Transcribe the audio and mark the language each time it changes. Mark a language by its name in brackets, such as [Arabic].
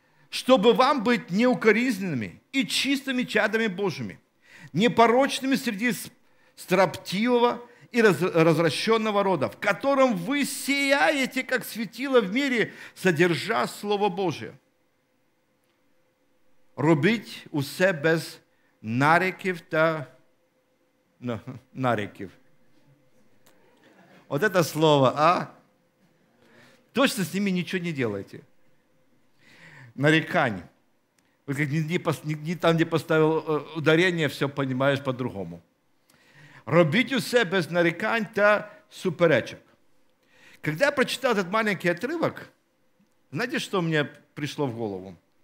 [Russian] Чтобы вам быть неукоризненными и чистыми чадами Божьими, непорочными среди строптивого и развращенного рода, в котором вы сияете, как светило в мире, содержа Слово Божие. [Ukrainian] Робить усе без нареків та нареків. [Russian] Вот это слово, а? Точно с ними ничего не делайте. Нарекание. Вот как не там, где поставил ударение, все понимаешь по-другому. [Ukrainian] Робить усе без нарекань та суперечек. [Russian] Когда я прочитал этот маленький отрывок, знаете, что мне пришло в голову?